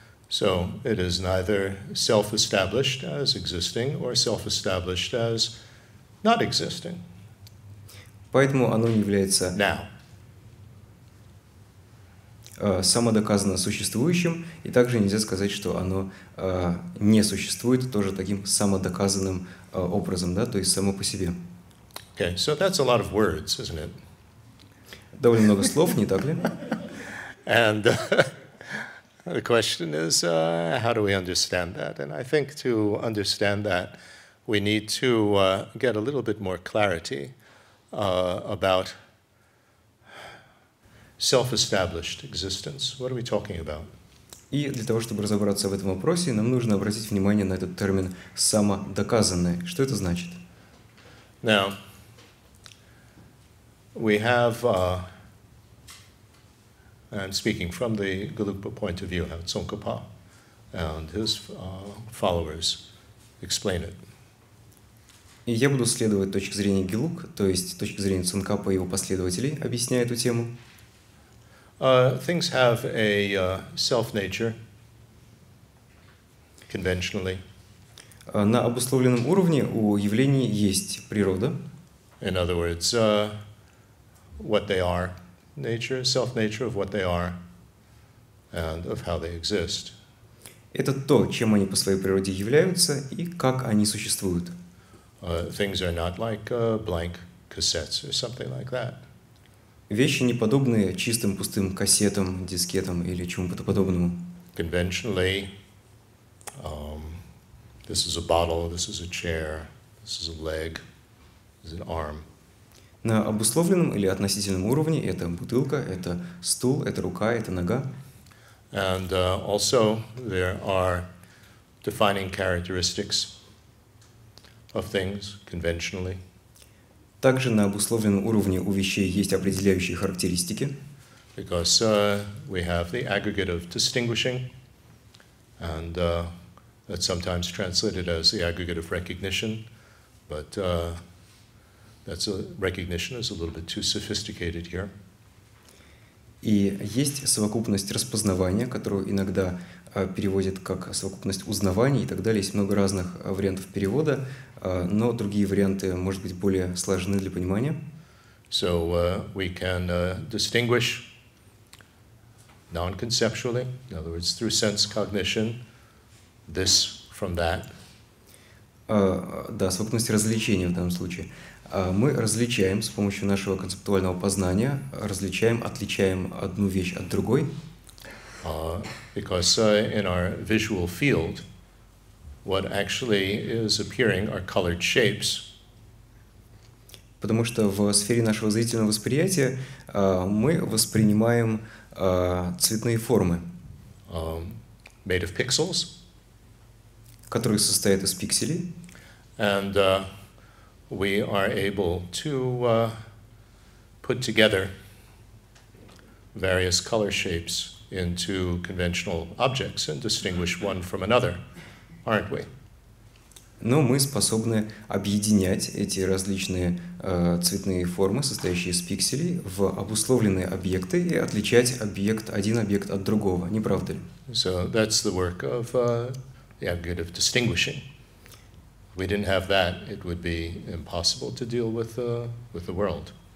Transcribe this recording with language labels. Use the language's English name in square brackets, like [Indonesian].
[English] So, it is neither self-established as existing or self-established as not existing. [Russian] Поэтому оно не является [English] now [Russian] самодоказанно существующим, и также нельзя сказать, что оно не существует тоже таким самодоказанным образом, да, то есть само по себе. [English] Okay, so that's a lot of words, isn't it? [Russian] Довольно много слов, не так ли? [English] And the question is, how do we understand that? And I think to understand that, we need to get a little bit more clarity about self-established existence. What are we talking about? [Russian] И для того, чтобы разобраться в этом вопросе, нам нужно обратить внимание на этот термин самодоказанное. Что это значит? [English] Now, we have, I'm speaking from the Galupa point of view, how Tsongkhapa and his followers explain it. [Russian] И я буду следовать точке зрения Гелуг, то есть точке зрения Цонкапа и его последователей, объясняя эту тему. [English] Things have a self-nature, conventionally. [Russian] На обусловленном уровне у явлений есть природа. [English] In other words, what they are, nature, self-nature of what they are, and of how they exist. [Russian] Это то, чем они по своей природе являются и как они существуют. [English] Things are not like blank cassettes or something like that. [Russian] Вещи не подобные чистым пустым кассетам, дискетам или чему-то подобному. [English] Conventionally, this is a bottle, this is a chair, this is a leg, this is an arm. [Russian] На обусловленном или относительном уровне это бутылка, это стул, это рука, это нога. [English] And also there are defining characteristics of things conventionally. [Russian] Также на обусловленном уровне у вещей есть определяющие характеристики. [English] Because we have the aggregate of distinguishing, and that's sometimes translated as the aggregate of recognition, but that's a recognition is a little bit too sophisticated here. [Russian] И есть совокупность распознавания, которую иногда переводят как совокупность узнаваний и так далее. Есть много разных вариантов перевода, но другие варианты, может быть, более сложны для понимания. [English] So we can distinguish non-conceptually, in other words, through sense cognition, this from that. [Russian] Да, совокупность различений в данном случае. Мы различаем с помощью нашего концептуального познания, различаем, отличаем одну вещь от другой. [English] Because in our visual field, what actually is appearing are colored shapes. [Russian] Потому что в сфере нашего зрительного восприятия мы воспринимаем цветные формы. [English] Made of pixels. [Russian] Которые состоят из пикселей. [English] And we are able to put together various color shapes into conventional objects and distinguish one from another, aren't we? [Russian] Но мы способны объединять эти различные цветные формы, состоящие из пикселей, в обусловленные объекты и отличать объект, один объект от другого, не правда ли? [English] So that's the work of the aggregate of distinguishing. If we didn't have that, it would be impossible to deal with the world.